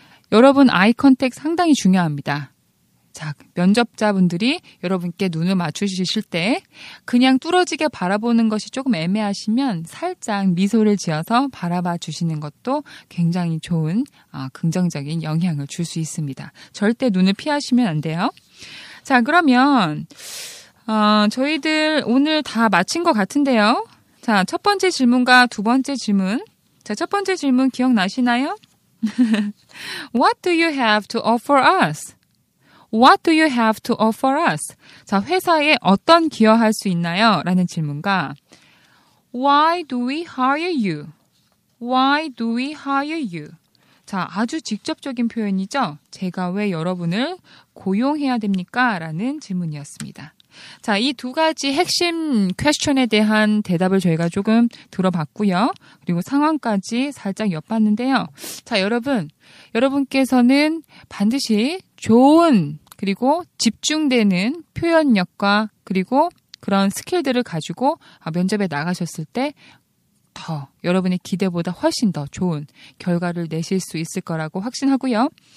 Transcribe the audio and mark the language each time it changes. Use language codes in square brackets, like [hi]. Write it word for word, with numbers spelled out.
[ko] 여러분 아이 컨택 상당히 중요합니다. 자, 면접자분들이 여러분께 눈을 맞추실 때 그냥 뚫어지게 바라보는 것이 조금 애매하시면 살짝 미소를 지어서 바라봐 주시는 것도 굉장히 좋은 아, 긍정적인 영향을 줄 수 있습니다. 절대 눈을 피하시면 안 돼요. 자, 그러면 어, 저희들 오늘 다 마친 것 같은데요. 자, 첫 번째 질문과 두 번째 질문. 자, 첫 번째 질문 기억나시나요? [en] What do you have to offer us? What do you have to offer us? [ko] 자, 회사에 어떤 기여할 수 있나요? 라는 질문과 [en] Why do we hire you? Why do we hire you? [ko] 자, 아주 직접적인 표현이죠. 제가 왜 여러분을 고용해야 됩니까? 라는 질문이었습니다. 자, 이 두 가지 핵심 퀘스천에 대한 대답을 저희가 조금 들어봤고요. 그리고 상황까지 살짝 엿봤는데요. 자, 여러분, 여러분께서는 반드시 좋은 그리고 집중되는 표현력과 그리고 그런 스킬들을 가지고 면접에 나가셨을 때 더 여러분의 기대보다 훨씬 더 좋은 결과를 내실 수 있을 거라고 확신하고요.